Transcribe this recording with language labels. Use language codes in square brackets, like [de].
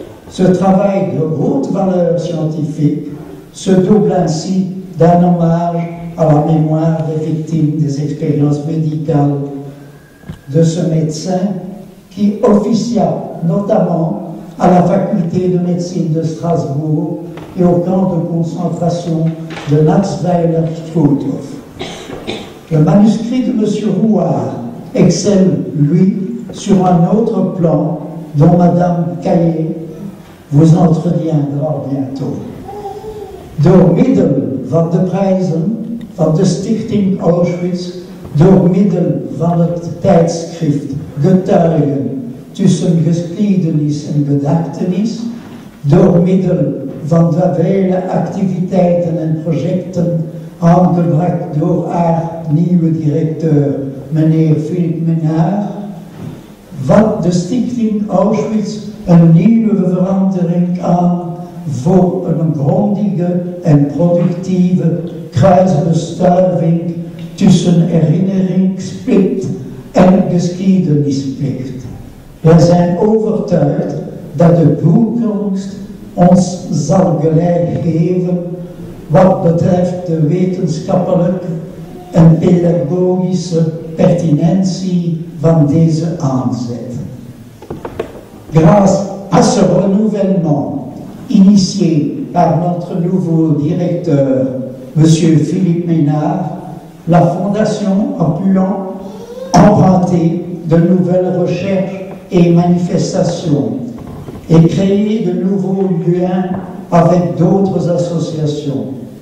[fr] Ce travail de haute valeur scientifique se double ainsi d'un hommage à la mémoire des victimes des expériences médicales de ce médecin qui officia notamment à la faculté de médecine de Strasbourg et au camp de concentration de Natzweiler-Friedhof. Le manuscrit de M. Rouard excelle, lui, sur un autre plan dont Mme Caillé vous entretiendra bientôt. [nl] Door Middel van de Prijzen van de Stichting Auschwitz, door Middel van het tijdschrift Getuigen tussen Geschiedenis en Gedachtenis, door Middel van de vele activiteiten en projecten aangebracht door haar nieuwe directeur, meneer Philippe Menard, wat de Stichting Auschwitz een nieuwe verandering aan voor een grondige en productieve kruisbestuiving tussen herinneringsplicht en geschiedenisplicht. Wij zijn overtuigd dat de toekomst ons zal gelijk geven wat betreft de wetenschappelijke en pedagogische pertinentie van deze aanzet. [fr] Grâce à ce renouvellement initié par notre nouveau directeur, M. Philippe Menard, la Fondation a pu emprunter de nouvelles recherches et manifestations et créer de nouveaux liens avec d'autres associations.